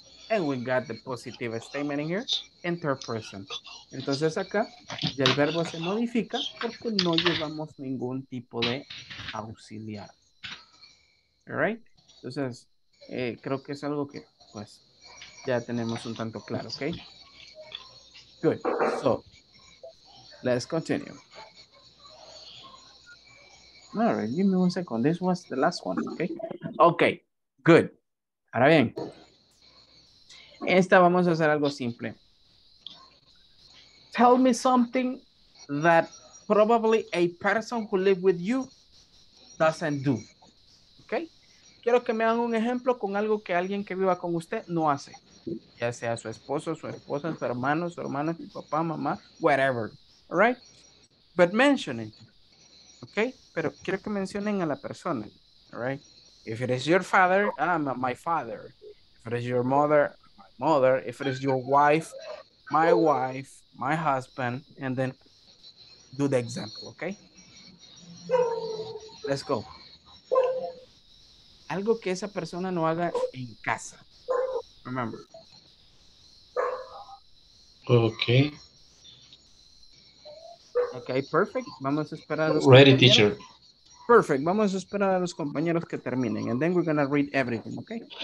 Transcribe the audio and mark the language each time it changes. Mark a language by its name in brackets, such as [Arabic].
[English] And we got the positive statement in here. In third person. [Spanish] Entonces acá ya el verbo se modifica porque no llevamos ningún tipo de auxiliar. Alright? Entonces, creo que es algo que pues ya tenemos un tanto claro, okay? [English] Good. So let's continue. Alright, give me one second. This was the last one, okay? Okay, good. [Spanish] Ahora bien. Esta vamos a hacer algo simple. [English] Tell me something that probably a person who live with you doesn't do. Okay? [Spanish] Quiero que me hagan un ejemplo con algo que alguien que viva con usted no hace. Ya sea su esposo, su esposa, su hermano, su papá, mamá, whatever. All right? [English] But mention it. [Spanish] Okay? Pero quiero que mencionen a la persona. All right? [English] If it is your father, I'm my father. If it is your mother, my mother. If it is your wife, my wife. My husband, and then do the example, okay? Let's go. [Spanish] Algo que esa persona no haga en casa. [English] Remember. Okay. [Spanish] Okay, perfect. Vamos a esperar a los ready, compañeros. Teacher. Perfect. Vamos a esperar a los compañeros que terminen, [English] and then we're gonna read everything, [Spanish] okay?